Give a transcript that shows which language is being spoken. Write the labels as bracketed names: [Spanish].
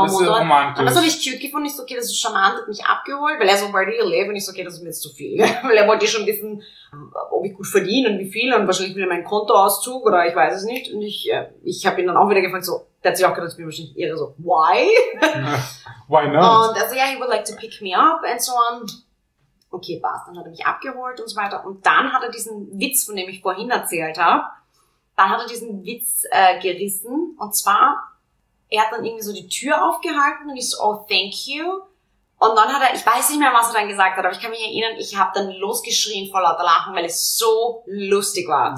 [German] Motor, das ist romantisch. Und das habe ich cute gefunden. Ich so, okay, das ist charmant, hat mich abgeholt. Weil er so, [English] where do you live? [German] Und ich so, okay, das ist mir jetzt zu viel. Weil er wollte schon wissen, ob ich gut verdiene und wie viel. Und wahrscheinlich will er meinen Kontoauszug oder ich weiß es nicht. Und ich habe ihn dann auch wieder gefragt, so, der hat sich auch gedacht, ich bin wahrscheinlich irre. [English] So, why? Why not? [German] Und er so, [English] yeah, he would like to pick me up and so on. [German] Okay, passt. Dann hat er mich abgeholt und so weiter. Und dann hat er diesen Witz, von dem ich vorhin erzählt habe, dann hat er diesen Witz gerissen. Und zwar, er hat dann irgendwie so die Tür aufgehalten und ich so, [English] oh, thank you. [German] Und dann hat er, ich weiß nicht mehr, was er dann gesagt hat, aber ich kann mich erinnern, ich habe dann losgeschrien vor lauter Lachen, weil es so lustig war.